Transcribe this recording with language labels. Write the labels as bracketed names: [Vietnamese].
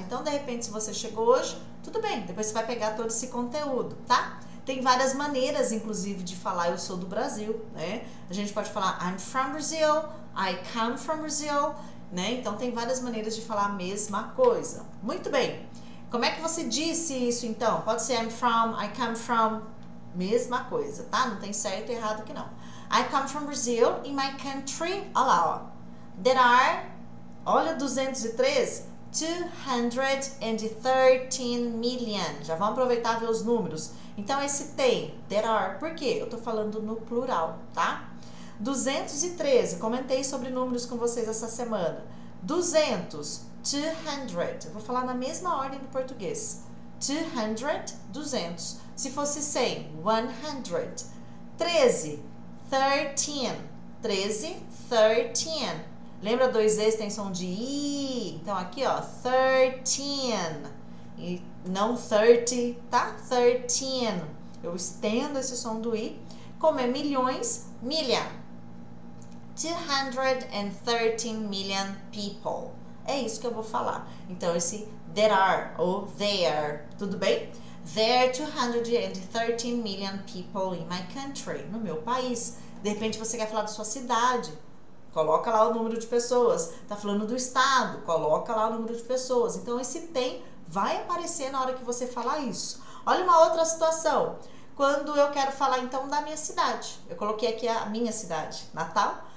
[Portuguese] Então, de repente, se você chegou hoje, tudo bem, depois você vai pegar todo esse conteúdo, tá? Tem várias maneiras, inclusive, de falar eu sou do Brasil, né? A gente pode falar [English] I'm from Brazil, I come from Brazil, né? [Portuguese] Então, tem várias maneiras de falar a mesma coisa. Muito bem. Como é que você disse isso, então? Pode ser [English] I'm from, I come from. [Portuguese] Mesma coisa, tá? Não tem certo e errado que não. [English] I come from Brazil in my country. [Portuguese] Olha lá, ó. [English] There are, [Portuguese] olha, 213. [English] 213 million. [Portuguese] Já vamos aproveitar e ver os números. Então, esse tem, [English] there are, [Portuguese] por quê? Eu tô falando no plural, tá? 213, comentei sobre números com vocês essa semana. 200, 200. Eu vou falar na mesma ordem do português. 200, 200. Se fosse 100, 100. 13, 13. 13, 13. Lembra dois Es tem som de I? Então aqui ó, 13. E não 30, tá? 13. Eu estendo esse som do I. Como é milhões, milha. [English] 213 million people. [Portuguese] É isso que eu vou falar. Então esse [English] there are [Portuguese] ou there, tudo bem? [English] There are 213 million people in my country, [Portuguese] no meu país. De repente você quer falar da sua cidade. Coloca lá o número de pessoas. Tá falando do estado, coloca lá o número de pessoas. Então esse tem vai aparecer na hora que você falar isso. Olha uma outra situação. Quando eu quero falar então da minha cidade, eu coloquei aqui a minha cidade, Natal.